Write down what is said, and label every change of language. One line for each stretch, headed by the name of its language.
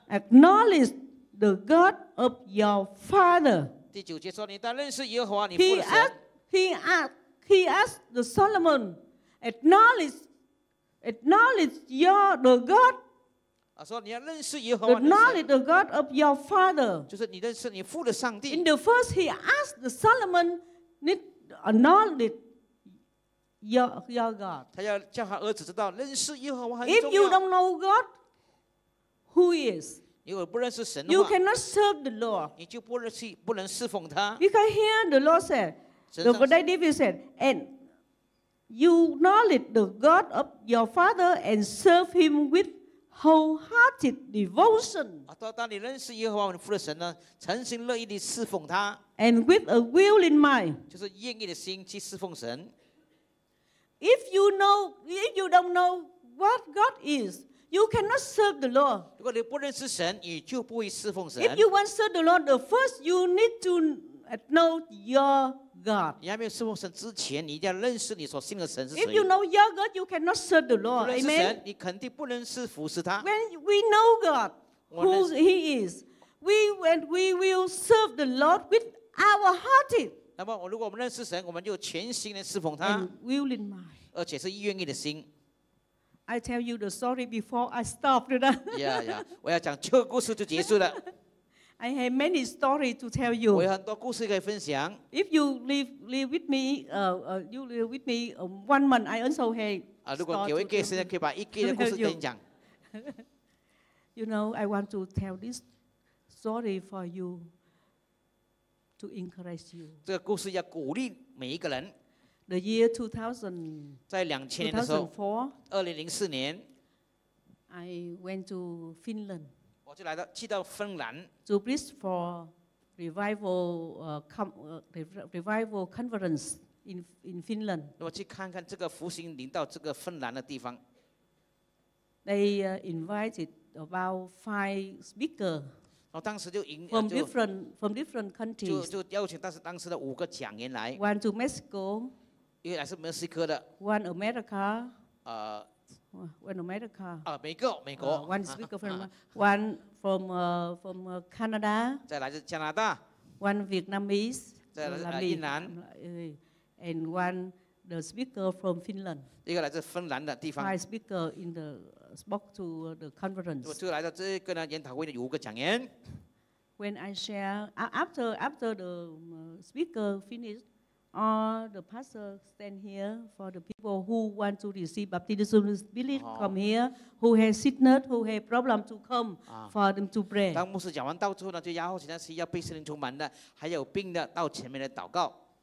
English: acknowledge the God of your father.
Chinese: 第九节说, 你当认识耶和华你父的神,
English: he asked the Solomon, acknowledge the God.
Chinese: 说你要认识耶和华的神,
English: acknowledge the God of your father.
Chinese: 就是你认识你父的上帝。
English: In the first, he asked Solomon, acknowledge your God.
Chinese: 他要叫他儿子知道认识耶和华很重要。
English: If you don't know God, who is?
Chinese: 如果不认识神的话,
English: you cannot serve the Lord.
Chinese: 你就不能侍奉他。
English: You can hear the Lord say,
Chinese: 神上师,
English: the David said, and you acknowledge the God of your father and serve him with wholehearted devotion.
Chinese: 当你认识耶和华你父的神呢, 诚心乐意地侍奉他,
English: and with a willing mind,
Chinese: 就是愿意的心去侍奉神。
English: If you know, if you don't know what God is, you cannot serve the Lord.
Chinese: 如果你不认识神, 你就不会侍奉神。
English: If you want to serve the Lord, the first you need to know your God.
Chinese: 你还没有侍奉神之前, 你一定要认识你所信的神是谁。
English: If you know your God, you cannot serve the Lord.
Chinese: 不认识神, Amen? 你肯定不能服侍他。
English: When we know God, who He is, we will serve the Lord with our heart.
Chinese: 那么如果我们认识神, 我们就全心地侍奉他。
English: And willing mind.
Chinese: 而且是愿意的心。
English: I tell you the story before I stop. Yeah, yeah.
Chinese: 我要讲这个故事就结束了。
English: I have many stories to tell you.
Chinese: 我有很多故事可以分享。
English: If you live with me, you live with me 1 month, I also have.
Chinese: 如果给我一个时间，可以把一个的故事跟你讲。
English: You know, I want to tell this story for you to encourage you.
Chinese: 这个故事要鼓励每一个人。
English: The year 2000.
Chinese: 在2000年的时候。
English: 2004年。I went to Finland.
Chinese: 我就来到去到芬兰
English: to preach for revival revival conference in Finland.
Chinese: 我去看看这个复兴领导这个芬兰的地方。
English: They invited about 5 speakers.
Chinese: 当时就引
English: from different countries.
Chinese: 就邀请当时的5个讲员来。
English: One to Mexico.
Chinese: 因为来自墨西哥的。
English: One America. One America.
Chinese: 美国。
English: One speaker from one. From Canada,
Chinese: 再来自加拿大,
English: one Vietnamese,
Chinese: 再来自越南,
English: and one the speaker from Finland.
Chinese: 一个来自芬兰的地方,
English: five speaker in the spoke to the conference.
Chinese: 就来到这个呢研讨会的5个讲员.
English: When I share after the speaker finished, all the pastor stand here for the people who want to receive baptism, believe come here, who have sickness, who have problem to come for them to pray.
Chinese: 当牧师讲完到之后呢, 就邀请那些要被圣灵充满的还有病的到前面来祷告。